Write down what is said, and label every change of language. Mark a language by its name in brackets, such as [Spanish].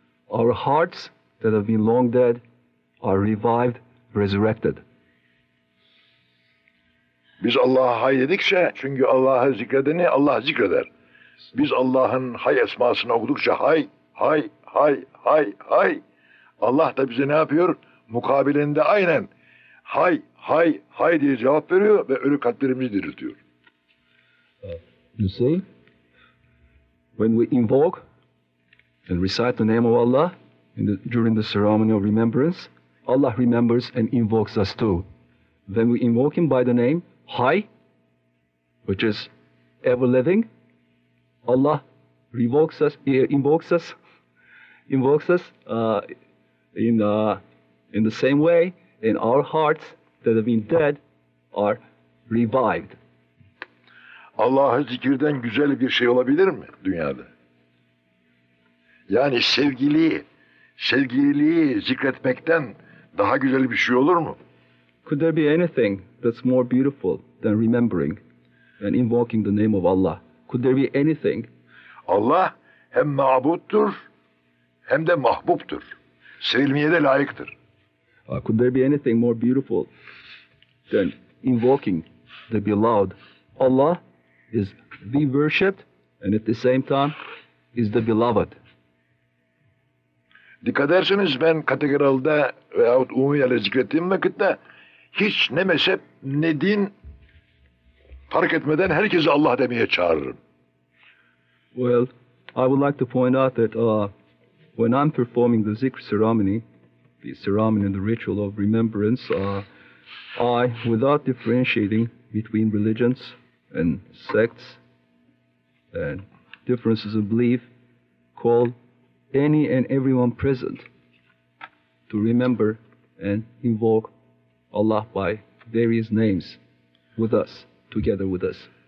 [English] Our hearts that have been long dead are revived, resurrected. [Turkish] Biz Allah'a hay dedikçe, çünkü Allah'ı zikredeni Allah zikreder. Biz Allah'ın hay esmasını okudukça hay, hay, hay, hay, hay. Allah da bize ne yapıyor? Mukabilinde aynen hay, hay, hay diye cevap veriyor ve ölü kalplerimizi diriltiyor. [English] You see, when we invoke and recite the name of Allah during the ceremony of remembrance, Allah remembers and invokes us too. When we invoke Him by the name Hay, which is ever living, Allah invokes us in the same way, in our hearts that have been dead are revived. [Turkish] Allah'ı zikirden güzel bir şey olabilir mi dünyada? Yani sevgililiği zikretmekten daha güzel bir şey olur mu? [English] Could there be anything that's more beautiful than remembering and invoking the name of Allah? Could there be anything? [Turkish] Allah hem mabuttur hem de mahbubtur. Sevilmeye de layıktır. [English] Could there be anything more beautiful than invoking the beloved Allah? Is the worshipped and at the same time is the beloved. [Turkish] Dikkat ederseniz ben katedralde veyahut umumi yerde zikrettiğim vakitte hiç ne mezhep ne din fark etmeden herkesi Allah demeye çağırırım. [English] Well, I would like to point out that when I'm performing the zikr ceremony, the ceremony and the ritual of remembrance, I, without differentiating between religions, and sects and differences of belief, call any and everyone present to remember and invoke Allah by various names with us, together with us.